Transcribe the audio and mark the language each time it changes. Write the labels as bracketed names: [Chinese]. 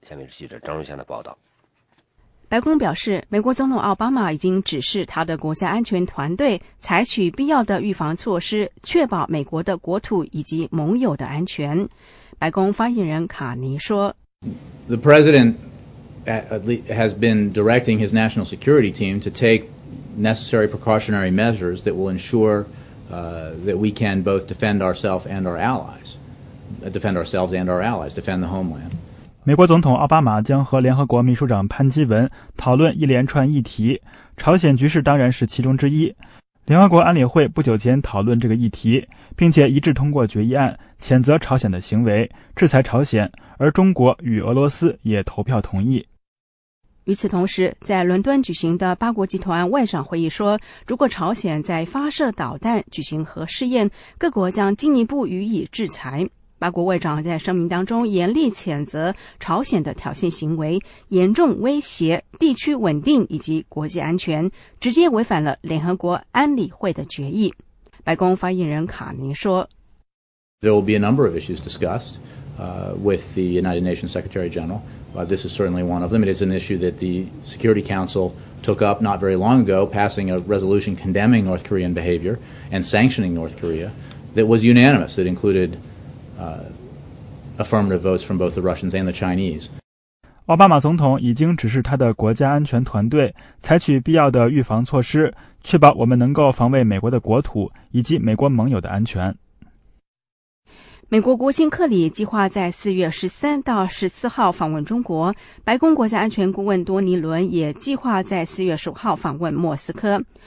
[Chinese] 下面是记者张荣祥的报道。白宫表示，美国总统奥巴马已经指示他的国家安全团队采取必要的预防措施，确保美国的国土以及盟友的安全。白宫发言人卡尼说， [English] The president has been directing his national security team to take necessary precautionary measures that will ensure that we can both defend ourselves and our allies, defend the homeland. [Chinese] 美国总统奥巴马将和联合国秘书长潘基文讨论一连串议题，朝鲜局势当然是其中之一。联合国安理会不久前讨论这个议题，并且一致通过决议案谴责朝鲜的行为，制裁朝鲜，而中国与俄罗斯也投票同意。与此同时，在伦敦举行的八国集团外长会议说，如果朝鲜在发射导弹、举行核试验，各国将进一步予以制裁。八国外长在声明当中严厉谴责朝鲜的挑衅行为，严重威胁地区稳定以及国际安全，直接违反了联合国安理会的决议。白宫发言人卡尼说 [English] There will be a number of issues discussed, with the United Nations Secretary General. This is certainly one of them. It is an issue that the Security Council took up not very long ago, passing a resolution condemning North Korean behavior and sanctioning North Korea that was unanimous, that included affirmative votes from both the Russians and the Chinese. [Chinese] 奥巴马总统已经指示他的国家安全团队采取必要的预防措施，确保我们能够防卫美国的国土以及美国盟友的安全。美国国务卿克里计划在4月13到14号访问中国，白宫国家安全顾问多尼伦也计划在4月15号访问莫斯科。